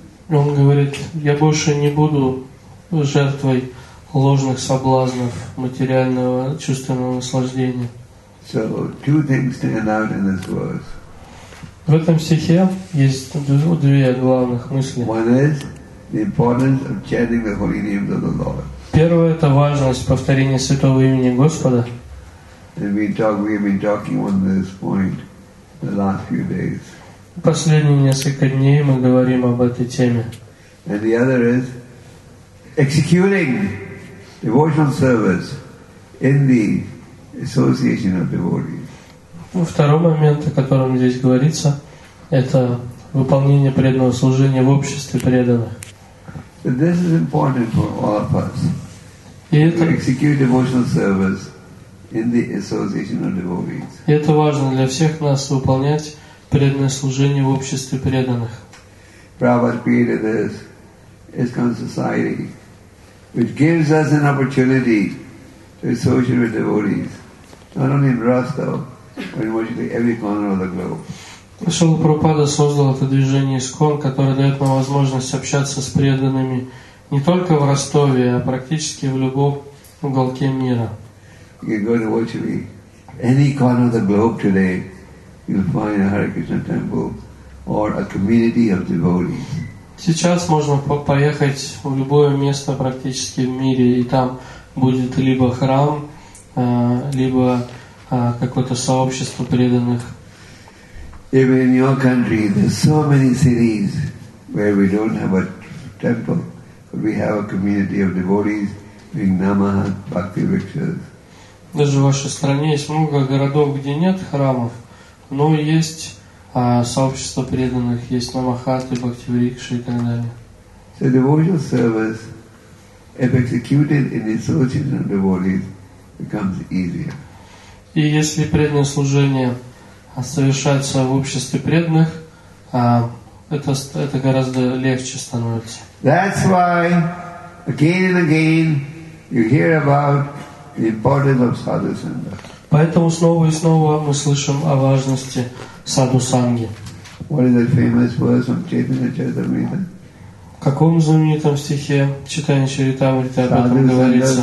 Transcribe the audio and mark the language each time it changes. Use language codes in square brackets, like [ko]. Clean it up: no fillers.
[ru] Он говорит, я больше не буду жертвой ложных соблазнов материального чувственного наслаждения. [en] So, two things stand out in this verse. [ru] В этом стихе есть две главных мысли. [en] One is the importance of chanting the holy names of the Lord. [ru] Первое – это важность повторения святого имени Господа. [en] And we've been talking on this point the last few days. [ru] Последние несколько дней мы говорим об этой теме. [en] And the other is executing devotional service in the association of devotees. [ru] Второй момент, о котором здесь говорится, это выполнение преданного служения в обществе преданных. [en] But this is important for all of us. To execute devotional service in the association of devotees. [ru] Это важно для всех нас выполнять преданное служение в обществе преданных. [en] Prabhupada created this ISKCON Society, which gives us an opportunity to associate with devotees, not only in Rostov, but in virtually every corner of the globe. [ru] Шрила Прабхупада создал это движение ИСКОН, которое дает нам возможность общаться с преданными не только в Ростове, а практически в любом уголке мира. Сейчас можно поехать в любое место практически в мире, и там будет либо храм, либо какое-то сообщество преданных. [en] Even in your country, there's so many cities where we don't have a temple, but we have a community of devotees doing namah, bhakti rituals. [ru] Даже в вашей стране есть много городов, где нет храмов, но есть сообщество преданных, есть намахаты, бхакти рикши и так далее. [en] So devotional service, if executed in the association of devotees, becomes easier. [ru] И если преданное служение совершается в обществе преданных, это гораздо легче становится. [en] That's why again and again you hear about the importance of sadhu sangha. [ru] Поэтому снова и снова мы слышим о важности саду санги. [en] What is that famous verse from Chaitanya Charitamrita? [ru] В каком знаменитом стихе Чайтанья Чаритамрита об этом говорится?